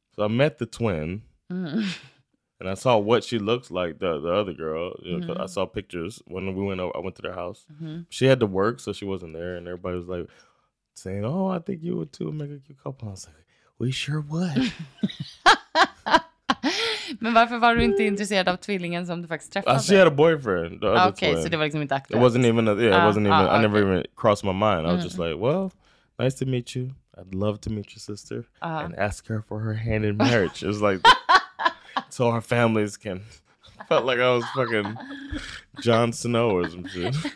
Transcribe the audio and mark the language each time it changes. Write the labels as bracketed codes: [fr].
[en] So I met the twin. Mm-hmm. And I saw what she looks like, the other girl. You know, mm-hmm. I saw pictures. When we went over, I went to their house. Mm-hmm. She had to work, so she wasn't there. And everybody was like saying, oh, I think you would too make a cute couple. And I was like, we sure would. [sv] Men varför var du inte intresserad av tvillingen som du faktiskt träffade? [en] She had a boyfriend. Okay, so [sv] det var liksom inte aktuellt. [en] It wasn't even, I never even crossed my mind. I was just like, well, nice to meet you. I'd love to meet your sister. Uh-huh. And ask her for her hand in marriage. It was like, so our families can... Felt like I was fucking Jon Snow or some shit.